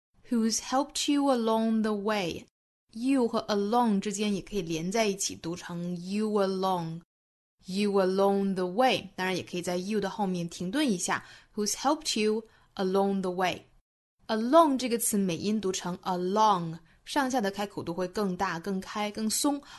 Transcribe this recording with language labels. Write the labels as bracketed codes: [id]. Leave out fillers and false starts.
[en] Who's helped you along the way， [zh] you 和 along 之间也可以连在一起读成 [en] you along the way， [zh] 当然也可以在 you 的后面停顿一下。 [en] Who's helped you along the way? [zh] Along 这个词美音读成 along， 上下的开口都会更大、更开、更松。